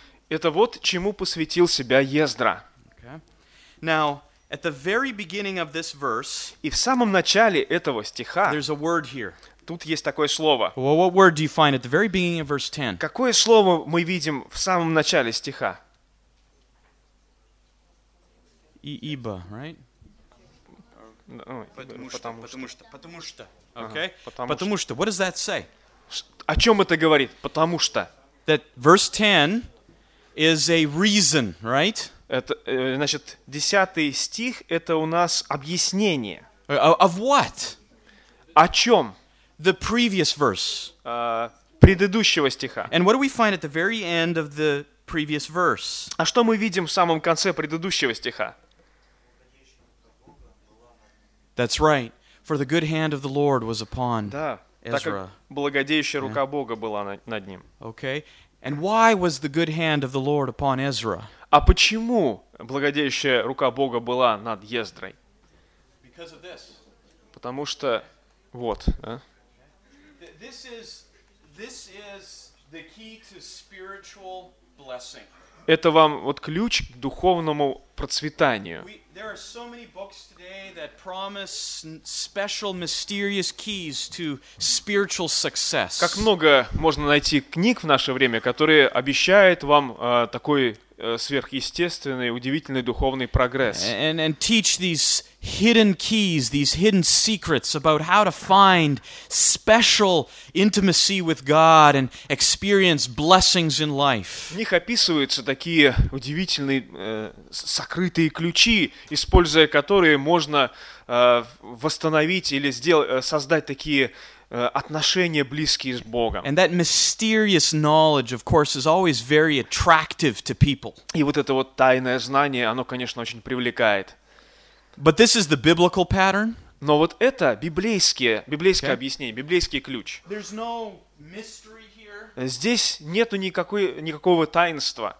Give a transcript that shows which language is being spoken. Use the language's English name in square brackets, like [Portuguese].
[Russian] Это вот чему посвятил себя Ездра. [English] Okay. Now, at the very beginning of this verse, [Russian] и в самом начале этого стиха, [English] there's a word here. [Russian] Тут есть такое слово. [English] Well, what word do you find at the very beginning of verse 10? [Russian] Какое слово мы видим в самом начале стиха? Ибо, right? Потому что. [English] What does that say? [Russian] О чем это говорит? Потому что. [English] That verse 10 is a reason, right? [Russian] Это, значит, 10 стих — это у нас объяснение. [English] Of what? [Russian] О чем? [English] The previous verse. [Russian] предыдущего стиха. [English] And what do we find at the very end of the previous verse? [Russian] А что мы видим в самом конце предыдущего стиха? [English] That's right. For the good hand of the Lord was upon [Russian] да, [English] Ezra. [Russian] Так как благодеющая рука yeah. Бога была над ним. [English] Okay. And why was the good hand of the Lord upon Ezra? [Russian] А почему благодеющая рука Бога была над Ездрой? [English] Because of this. [Russian] Потому что вот, да? [English] This is the key to spiritual blessing. [Russian] Это вам вот ключ к духовному процветанию. [English] There are so many books today that promise special mysterious keys to spiritual success. [Russian] Как много можно найти книг в наше время, которые обещают вам такой сверхъестественный, удивительный духовный прогресс. [English] And teach these hidden keys, these hidden secrets about how to find special intimacy with God and experience blessings in life. [Russian] В них описываются такие удивительные сокрытые ключи, используя которые можно восстановить или создать такие отношения близкие с Богом. [English] And that mysterious knowledge, of course, is always very attractive to people. [Russian] И вот это вот тайное знание, оно, конечно, очень привлекает. [English] But this is the biblical pattern. [Russian] Но вот это библейское okay. объяснение, библейский ключ. [English] There's no mystery here. [Russian] Здесь нету никакого таинства.